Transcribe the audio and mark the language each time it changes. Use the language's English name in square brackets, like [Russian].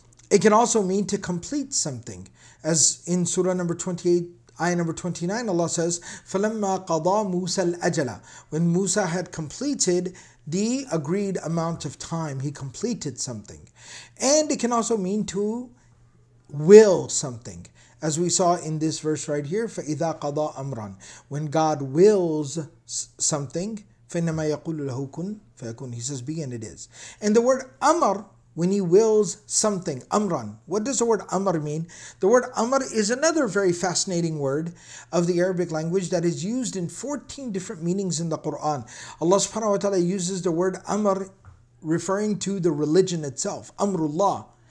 [English] It can also mean to complete something, as in Surah number 28, ayah number 29, Allah says, [Arabic] "Falamma qada Musa al-ajala." [English] When Musa had completed the agreed amount of time, he completed something. And it can also mean to will something, as we saw in this verse right here, [Arabic] "Fa'idha qada amran." [English] When God wills something, [Arabic] فَإِنَّمَا يَقُولُ لَهُ كُنْ فَيَكُنْ. [English] He says, be and it is. And the word amr, when he wills something, amran. What does the word amr mean? The word amr is another very fascinating word of the Arabic language that is used in 14 different meanings in the Quran. Allah subhanahu wa ta'ala uses the word amr referring to the religion itself, amrullah.